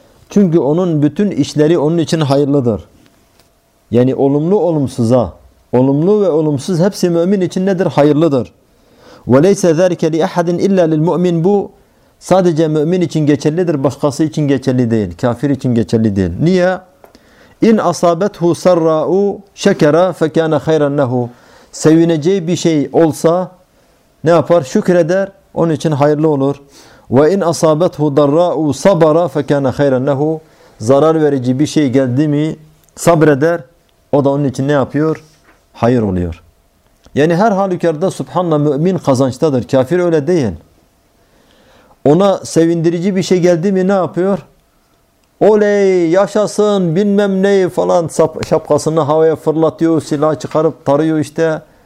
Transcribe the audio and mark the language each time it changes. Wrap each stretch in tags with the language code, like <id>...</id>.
<tr>Çünkü onun bütün işleri onun için hayırlıdır. Yani olumlu olumsuza, olumlu ve olumsuz hepsi mümin için nedir? Hayırlıdır.</tr> <ar>وَلَيْسَ ذَٰلِكَ لِأَحَدٍ اِلَّا لِلْمُؤْمِنِ</ar> <tr>Bu sadece mümin için geçerlidir, başkası için geçerli değil, kafir için geçerli değil. Niye?</tr> <ar>اِنْ أَصَابَتْهُ سَرَّاءُ شَكَرَ فَكَانَ خَيْرًا لَهُ</ar> <tr>Sevineceği bir şey olsa ne yapar? Şükreder, onun için hayırlı olur.</tr> <ar>وَاِنْ أَصَابَتْهُ ضَرَّاءُ صَبَرَ فَكَانَ خَيْرًا لَهُ</ar> <tr>Zarar verici bir şey geldi mi? Sabreder, o da onun için ne yapıyor? Hayır oluyor. Yani her halükarda subhanallah, mümin kazançtadır. Kafir öyle değil. Ona sevindirici bir şey geldi mi ne yapıyor? Oley, yaşasın, bilmem ne falan, şapkasını havaya fırlatıyor, silah çıkarıp tarıyor işte.</tr>